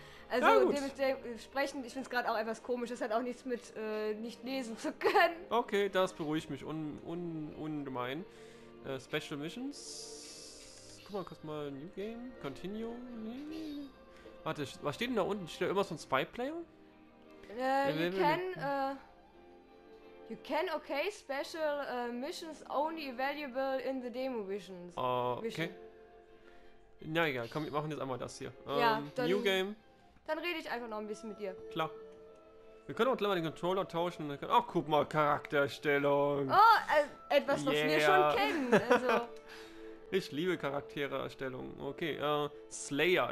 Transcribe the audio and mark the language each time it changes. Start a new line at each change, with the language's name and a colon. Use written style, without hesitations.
German: Also ja, dementsprechend, ich finde es gerade auch etwas komisch. Das hat auch nichts mit nicht lesen zu können. Okay, das beruhigt mich ungemein.
English: Special Missions.
German: Guck mal kurz mal,
English: New Game. Continue.
German: Nee. Warte, was steht denn da unten? Steht da irgendwas von Spy Player?
English: You can, okay, special missions only available in the demo visions. Okay.
German: Na egal, komm, wir machen jetzt einmal das hier.
English: New Game.
German: Dann rede ich einfach noch ein bisschen mit dir. Klar. Wir können auch gleich mal den Controller tauschen. Ach, guck mal, Charakterstellung. Oh, etwas, was wir schon kennen. Also. Ich liebe Charaktererstellung. Okay, Slayer.